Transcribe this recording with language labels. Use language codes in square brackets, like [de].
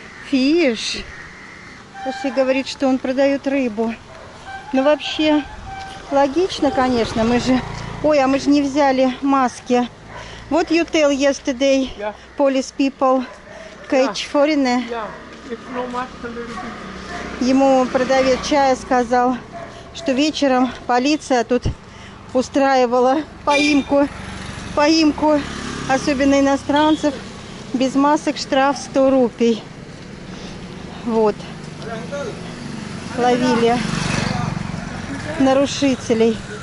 [ru] Фиш. Люси говорит, что он продает рыбу. Ну, вообще, логично, конечно. Мы же не взяли маски. [en] What you tell yesterday, yeah. Polish people, catch foreigner? Yeah, if no mask, a little bit. [ru] Ему продавец чая сказал, что вечером полиция тут устраивала поимку, особенно иностранцев, без масок штраф 100 рупий. Вот, ловили нарушителей.